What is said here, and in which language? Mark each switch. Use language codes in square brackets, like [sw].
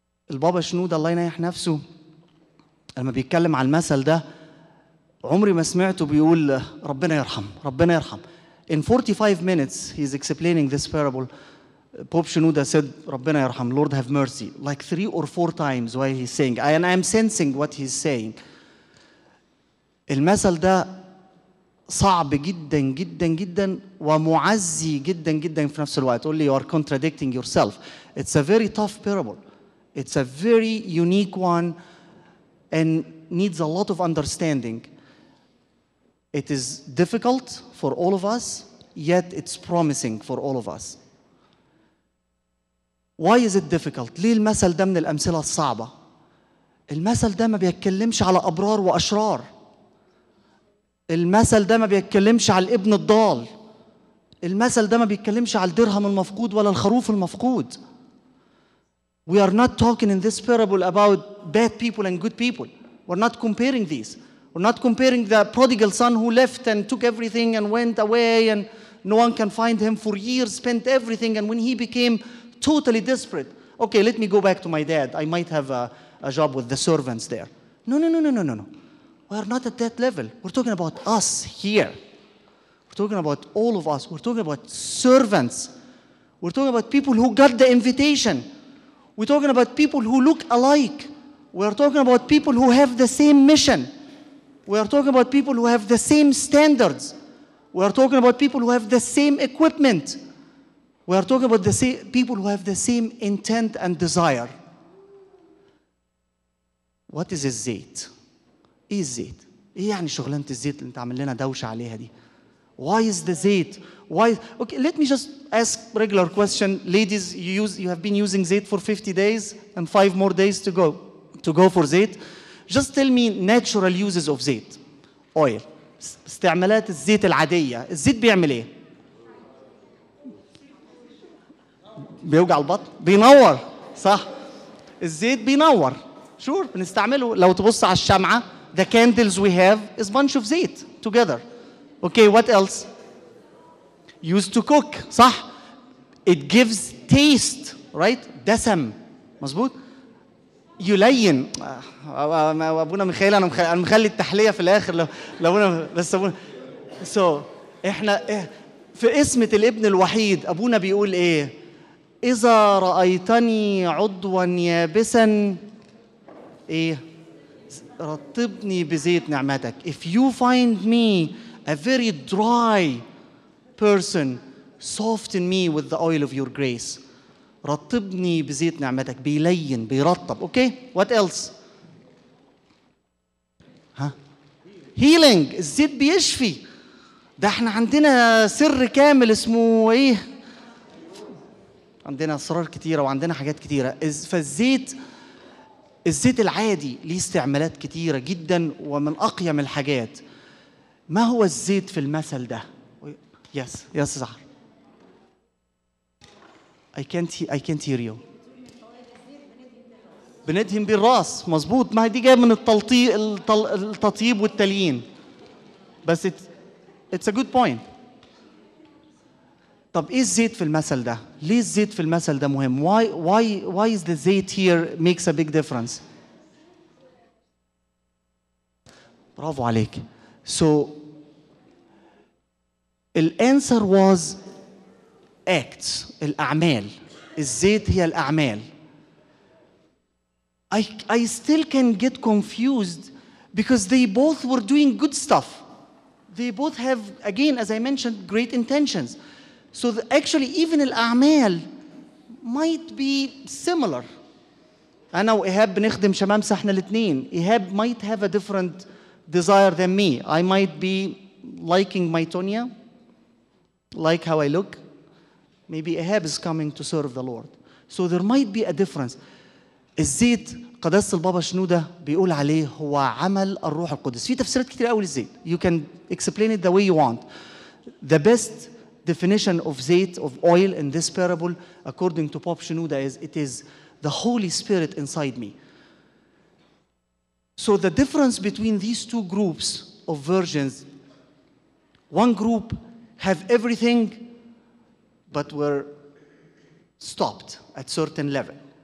[ar] البابا شنود الله ينايح نفسه لما بيتكلم على المثل ده عمري ما سمعته بيقول ربنا يرحم ربنا يرحم. [en] In 45 minutes he's explaining this parable. Pope Shenouda said [ar] ربنا يرحم, [en] Lord have mercy, like 3 or 4 times while he's saying, and I'm sensing what he's saying. [ar] المثل ده صعب جدا جدا جدا ومعزي جدا جدا في نفس الوقت. [en] Only you are contradicting yourself. It's a very tough parable. It's a very unique one and needs a lot of understanding. It is difficult for all of us, yet it's promising for all of us. Why is it difficult? [ar] ليه المثل ده من الأمثلة الصعبة؟ المثل ده ما بيتكلمش على أبرار وأشرار. المثل ده ما بيتكلمش على الابن الضال. المثل ده ما بيتكلمش على الدرهم المفقود ولا الخروف المفقود. [en] We are not talking in this parable about bad people and good people. We're not comparing these. We're not comparing the prodigal son who left and took everything and went away and no one can find him for years, spent everything, and when he became totally desperate, okay, let me go back to my dad. I might have a job with the servants there. No. We're not at that level. We're talking about us here. We're talking about all of us. We're talking about servants. We're talking about people who got the invitation. We're talking about people who look alike. We are talking about people who have the same mission. We are talking about people who have the same standards. We are talking about people who have the same equipment. We are talking about the same people who have the same intent and desire. What is [ar] الزيت? إيه الزيت? إيه يعني شغلانة الزيت اللي انت عامل لنا دوشة عليها دي? [en] Why is the زيت? Why? Okay, let me just ask regular question. Ladies, you have been using zayt for 50 days and 5 more days to go for zayt. Just tell me natural uses of zayt. Oil. [ar] استعمالات الزيت العادية. الزيت بيعمل ايه? بيوجع البطن. بينور. صح. الزيت بينور. [en] Sure. [ar] بنستعمله. لو تبص على الشمعة, [en] the candles we have is bunch of zayt together. Okay, what else? Used to cook, [ar] صح? [en] It gives taste, right? [ar] دسم, مظبوط? يلين. أبونا مخيل, أنا مخلي التحلية في الآخر. So, إحنا في اسمة الابن الوحيد, أبونا بيقول إيه? إذا رأيتني عضوا يابسا, إيه? رطبني بزيت نعمتك. [en] If you find me a very dry person, soften me with the oil of your grace. [ar] رطبني بزيت نعمتك. بيلين, بيرطب. [en] Okay, what else? Healing. [ar] الزيت بيشفي. ده احنا عندنا سر كامل اسمه ايه? عندنا اسرار كتيرة وعندنا حاجات كتيرة. فالزيت العادي ليه استعمالات كتيرة جدا ومن اقيم الحاجات. ما هو الزيت في المثل ده? [en] Yes, yes, [ar] Zahar. [en] I can't hear you. [ar] بندهم بالراس, مظبوط. ما دي جاي من التطيب والتليين. بس [en] it's a good point. [ar] طب إيه الزيت في المثل ده? ليه الزيت في المثل ده مهم? [en] Why is the زيت here makes a big difference? [ar] برافو عليك. [en] So, the answer was acts, [ar] الأعمال. الزيت هي الأعمال. [en] I still can get confused because they both were doing good stuff. They both have, again, as I mentioned, great intentions. So actually, even الأعمال might be similar. [ar] أنا وإيهاب بنخدم شمامسة إحنا الاثنين. [en] Ihab might have a different desire than me. I might be liking my Tonya. Like how I look, maybe Ahab is coming to serve the Lord. So there might be a difference. [ar] الزيت قداسة البابا شنودة بيقول عليه هو عمل الروح القدس. في تفسيرات كتير قوي للزيت. [en] You can explain it the way you want. The best definition of zayt, of oil in this parable, according to Pope Shenouda, is it is the Holy Spirit inside me. So the difference between these two groups of virgins, one group have everything but were stopped at certain level.